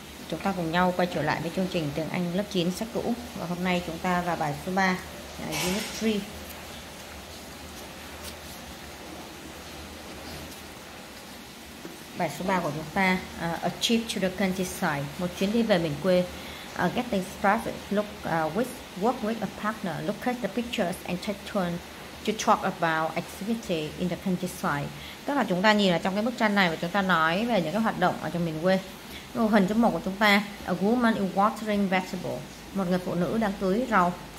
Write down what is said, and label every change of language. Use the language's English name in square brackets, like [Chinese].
[Vietnamese] Chúng ta cùng nhau quay trở lại với chương trình tiếng Anh lớp 9 sách cũ. Và hôm nay chúng ta vào bài số 3, Unit 3. Bài số 3 của chúng ta, [English] A Trip to the Countryside, [Vietnamese] một chuyến đi về miền quê. [English] Getting started, work with a partner, look at the pictures and take turns to talk about activity in the countryside. [Vietnamese] Tức là chúng ta nhìn ở trong cái bức tranh này và chúng ta nói về những cái hoạt động ở trong miền quê. Mô hình số 1 của chúng ta, [English] a woman is watering vegetables. [Vietnamese] Một người phụ nữ đang tưới rau.